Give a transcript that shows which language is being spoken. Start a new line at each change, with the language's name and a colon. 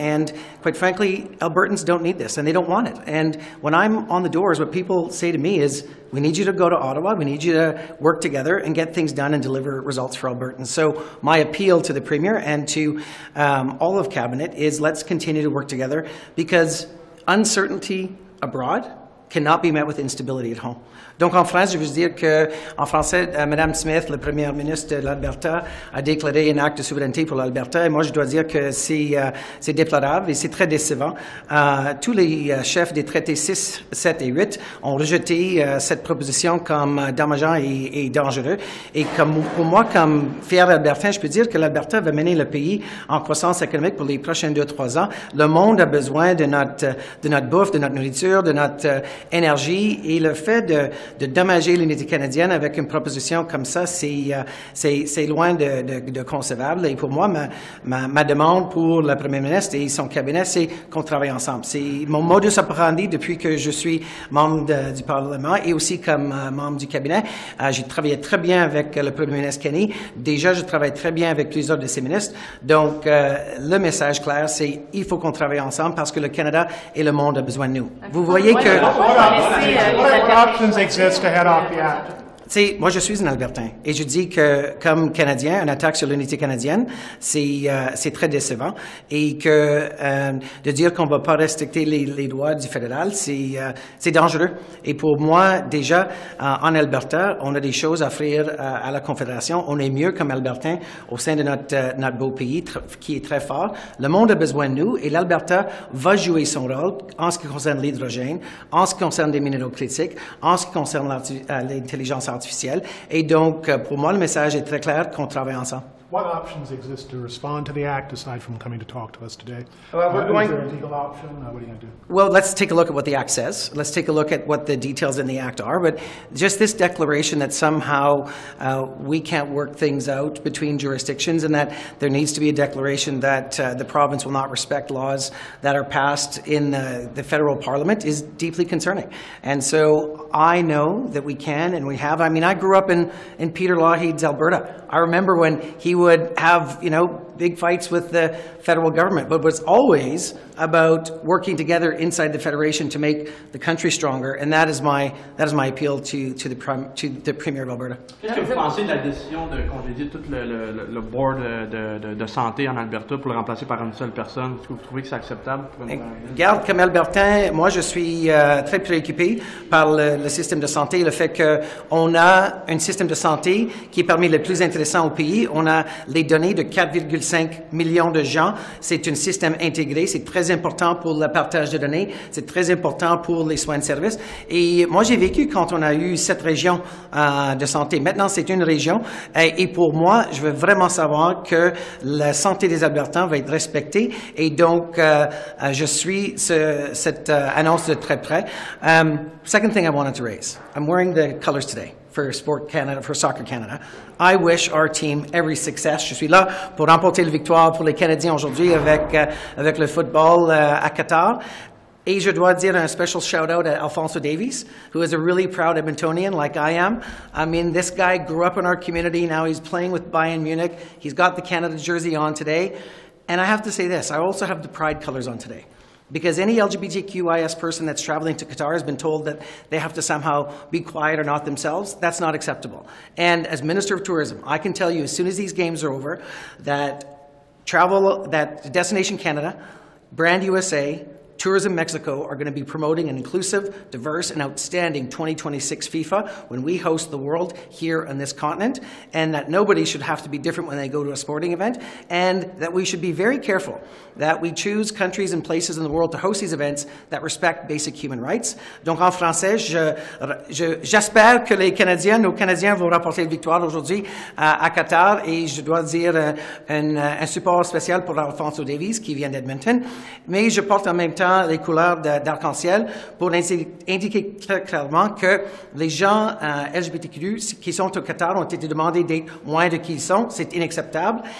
English: And quite frankly, Albertans don't need this and they don't want it. And when I'm on the doors, what people say to me is, we need you to go to Ottawa. We need you to work together and get things done and deliver results for Albertans. So my appeal to the Premier and to all of Cabinet is let's continue to work together, because uncertainty abroad cannot be met with instability at home.
French: Donc en France, je veux dire que en français, Madame Smith, le Premier ministre de l'Alberta, a déclaré un acte de souveraineté pour l'Alberta. Et moi, je dois dire que c'est déplorable et c'est très décevant. Tous les chefs des traités 6, 7 et 8 ont rejeté cette proposition comme dommageant et dangereux. Et comme pour moi, comme fier Albertain, je peux dire que l'Alberta va mener le pays en croissance économique pour les prochains 2 à 3 ans. Le monde a besoin de notre bouffe, de notre nourriture, de notre énergie, et le fait de dommager l'unité canadienne avec une proposition comme ça, c'est loin de concevable. Et pour moi, ma demande pour le Premier ministre et son cabinet, c'est qu'on travaille ensemble. C'est mon modus operandi depuis que je suis membre du Parlement et aussi comme membre du cabinet. J'ai travaillé très bien avec le Premier ministre Kenney. Déjà, je travaille très bien avec plusieurs de ses ministres. Donc, le message clair, c'est qu'il faut qu'on travaille ensemble parce que le Canada et le monde ont besoin de nous. Vous voyez que...
English: What options exist to head off the act?
French: Moi, je suis un Albertain. Et je dis que, comme Canadien, une attaque sur l'unité canadienne, c'est très décevant. Et que de dire qu'on ne va pas respecter les lois du fédéral, c'est dangereux. Et pour moi, déjà, en Alberta, on a des choses à offrir à la Confédération. On est mieux comme Albertain au sein de notre beau pays, qui est très fort. Le monde a besoin de nous et l'Alberta va jouer son rôle en ce qui concerne l'hydrogène, en ce qui concerne des minéraux critiques, en ce qui concerne l'intelligence artificielle. Et donc, pour moi, le message est très clair qu'on travaille ensemble.
English: What options exist to respond to the act aside from coming to talk to us today? Well, let's take a look at what the act says. Let's take a look at what the details in the act are. But just this declaration that somehow we can't work things out between jurisdictions, and that there needs to be a declaration that the province will not respect laws that are passed in the federal parliament is deeply concerning. And so I know that we can and we have. I mean, I grew up in Peter Lougheed's Alberta. I remember when he would have, you know, big fights with the federal government, but was always about working together inside the Federation to make the country stronger, and that is my appeal to the Premier of Alberta.
French: Qu'est-ce que vous pensez de la décision de congédier tout le board de santé en Alberta pour le remplacer par une seule personne? Est-ce que vous trouvez que c'est acceptable? Regarde, comme Albertain, moi je suis très préoccupé par le système de santé, le fait qu'on a un système de santé qui est parmi les plus intéressants au pays. On a les données de 4,5 millions de gens. C'est un système intégré. C'est très important pour le partage de données. C'est très important pour les soins de service. Et moi, j'ai vécu quand on a eu cette région de santé. Maintenant, c'est une région. Et pour moi, je veux vraiment savoir que la santé des Albertains va être respectée. Et donc, je suis cette annonce de très près.
English: Second thing I wanted to raise. I'm wearing the colors today for Sport Canada, for Soccer Canada. I wish our team every success.
French: Je suis là pour remporter la victoire pour les Canadiens aujourd'hui avec le football à Qatar. Et je dois dire un
English: special shout-out à Alfonso Davies, who is a really proud Edmontonian like I am. I mean, this guy grew up in our community. Now he's playing with Bayern Munich. He's got the Canada jersey on today. And I have to say this, I also have the pride colors on today. Because any LGBTQIS person that's traveling to Qatar has been told that they have to somehow be quiet or not themselves. That's not acceptable. And as Minister of Tourism, I can tell you as soon as these games are over, that Destination Canada, Brand USA, Tourism Mexico are going to be promoting an inclusive, diverse, and outstanding 2026 FIFA when we host the world here on this continent, and that nobody should have to be different when they go to a sporting event, and that we should be very careful that we choose countries and places in the world to host these events that respect basic human rights.
French: Donc en français, j'espère que les Canadiens, nos Canadiens vont rapporter la victoire aujourd'hui à Qatar, et je dois dire un support spécial pour Alfonso Davies qui vient d'Edmonton, mais je porte en même temps blanc, les couleurs de, d'arc-en-ciel, pour indiquer clairement que les gens LGBTQ qui sont au Qatar ont été demandés d'être moins de qui ils sont. C'est inacceptable.